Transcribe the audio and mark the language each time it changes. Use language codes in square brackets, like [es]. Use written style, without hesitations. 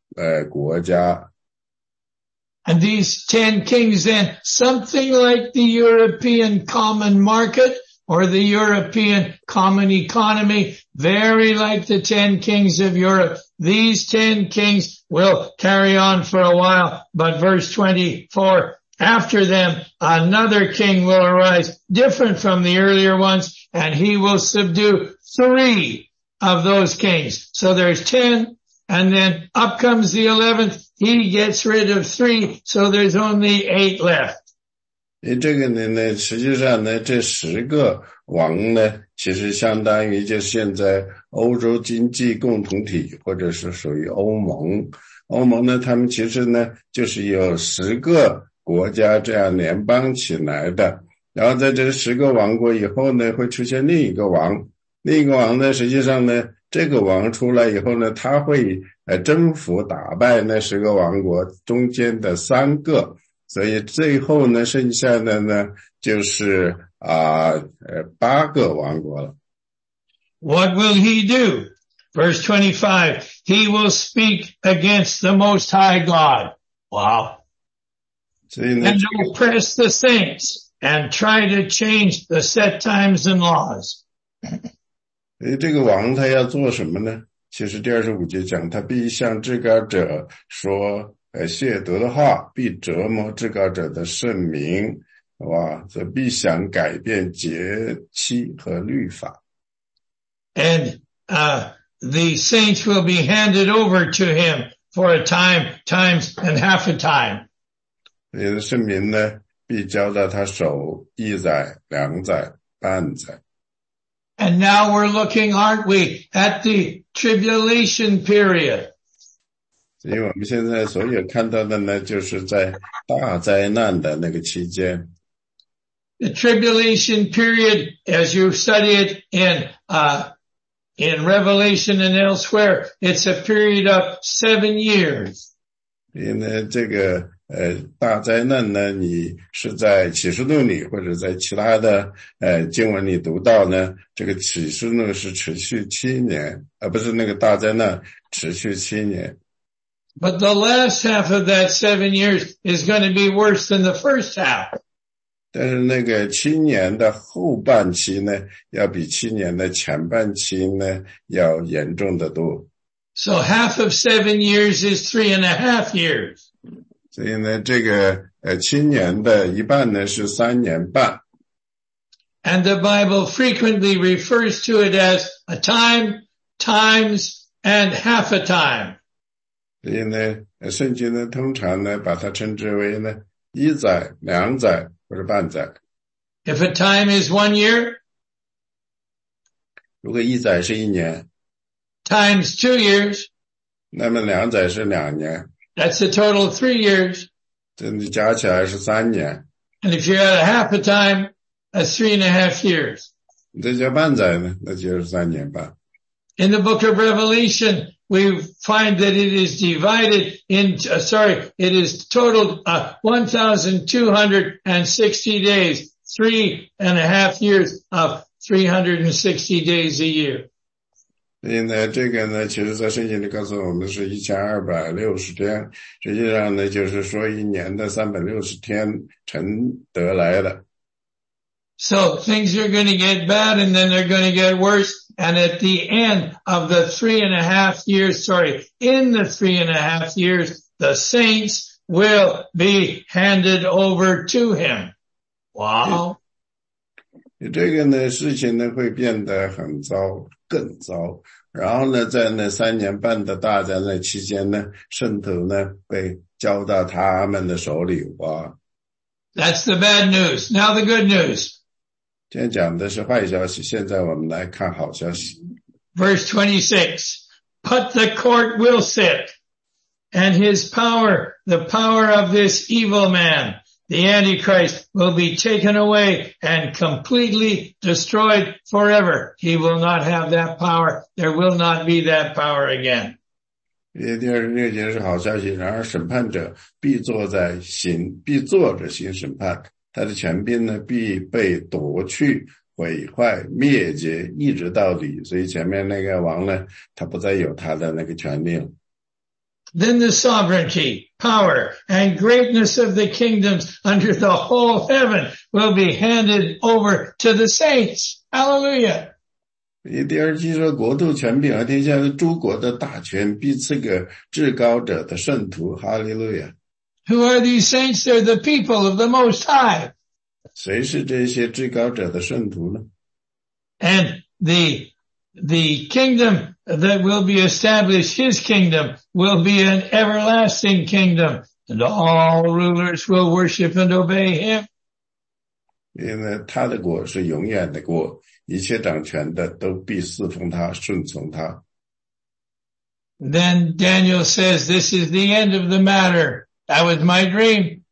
[zh] 这个呢，这十个王呢，十个王呢，有可能就是那个欧洲欧盟的十个联邦国家。And [en] these ten kings then, something like the European common market or the European common economy, very like the ten kings of Europe. These ten kings will carry on for a while, but verse 24, after them, another king will arise, different from the earlier ones, and he will subdue three of those kings. So there's ten, and then up comes the 11th, he gets rid of three, so there's only eight left. [zh] 这个呢，实际上呢，这十个王呢，其实相当于就现在欧洲经济共同体，或者是属于欧盟。欧盟呢，他们其实呢，就是有十个国家这样联邦起来的。然后在这个十个王国以后呢，会出现另一个王。另一个王呢，实际上呢，这个王出来以后呢，他会征服打败那十个王国中间的三个。所以最后呢，剩下的呢，就是八个王国了。 [en] What will he do? Verse 25, he will speak against the Most High God. Wow. And oppress the saints and try to change the set times and laws. [zh] 这个王他要做什么呢？其实第25节讲，他必向至高者说亵渎的话，必折磨至高者的圣名，哇，则必想改变节期和律法。 [en] And, the saints will be handed over to him for a time, times, and half a time. [zh] 你的圣名呢，必交在他手一载、两载、半载。 [en] And now we're looking, aren't we, at the tribulation period. [zh] 所以我们现在所有看到的呢，就是在大灾难的那个期间。 [en] The tribulation period, as you study it in Revelation and elsewhere, it's a period of 7 years. [zh] 因为这个大灾难呢，你是在启示录里或者在其他的经文里读到呢，这个启示录是持续七年，不是那个大灾难持续七年。 [en] But the last half of that 7 years is going to be worse than the first half. [zh] 但是那个七年的后半期呢，要比七年的前半期呢要严重的多。 [en] So half of 7 years is 3.5 years. [zh] 所以呢，这个七年的一半呢是三年半。 [en] And the Bible frequently refers to it as a time, times, and half a time. [zh] 所以呢，圣经呢通常呢把它称之为呢一载、两载或者半载。 [en] If a time is 1 year, [zh] 如果一载是一年 [en] ，times 2 years, [zh] 那么两载是两年。 [en] That's a total of 3 years. [zh] 这你加起来是三年。 [en] And if you're at a half a time, that's 3.5 years. [zh] 这叫半载呢，那就是三年半。 [en] In the book of Revelation, we find that it is divided into, it is totaled 1,260 days, 3.5 years of 360 days a year. [zh] 所以呢，这个呢，其实在圣经里告诉我们是1260天，实际上呢，就是说一年的360天乘得来的。 [en] So things are going to get bad and then they're going to get worse. And at the end of the 3.5 years, in the 3.5 years, the saints will be handed over to him. Wow. [zh] 这个呢，事情呢会变得很糟，更糟。然后呢，在那三年半的大灾难期间呢，圣徒呢被交到他们的手里哇。 [en] That's the bad news. Now the good news. [zh] 今天讲的是坏消息，现在我们来看好消息。 [en] Verse 26, but the court will sit, and his power, the power of this evil man, the Antichrist, will be taken away and completely destroyed forever. He will not have that power. There will not be that power again. [zh] 第二十六节是好消息，然而审判者必坐在行，必坐着行审判。他的权柄呢必被夺去、毁坏、灭绝，一直到底。所以前面那个王呢，他不再有他的那个权柄。 [en] Then the sovereignty, power, and greatness of the kingdoms under the whole heaven will be handed over to the saints. Hallelujah! [zh] 第二节说，国度、权柄和天下的诸国的大权必赐给至高者的圣徒。 [en] Hallelujah! Who are these saints? They're the people of the Most High. [zh] 谁是这些至高者的圣徒呢？ [en] And the kingdom that will be established, his kingdom, will be an everlasting kingdom. And all rulers will worship and obey him. [zh] 因为他的国是永远的国，一切掌权的都必侍奉他，顺从他。 [en] Then Daniel says, this is the end of the matter. That was my dream.